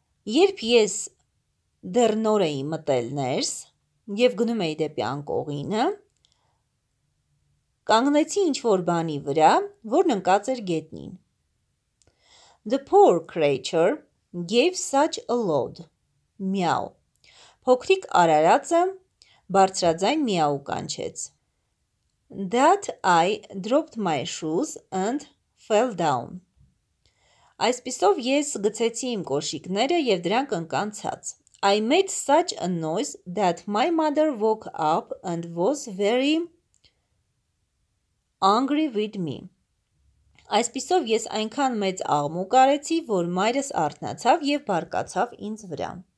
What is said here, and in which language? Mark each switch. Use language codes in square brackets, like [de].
[hy] Երբ ես դեռ նոր էի մտել ներս և գնում էի դեպի անկողինը, կանգնեցի ինչ-որ բանի վրա, որ ընկած էր գետնին. [en] The poor creature gave such a load. Meow. [hy] Փոքրիկ արարածը բարձրաձայն միաու կանչեց. [en] That I dropped my shoes and fell down. [hy] Այսպիսով ես գցեցի իմ կոշիկները և դրանք ընկանցած. [en] I made such a noise that my mother woke up and was very angry with me. [hy] Այսպիսով ես այնքան մեծ աղմուկ արեցի, որ մայրս արթնացավ և բարկացավ ինձ վրա։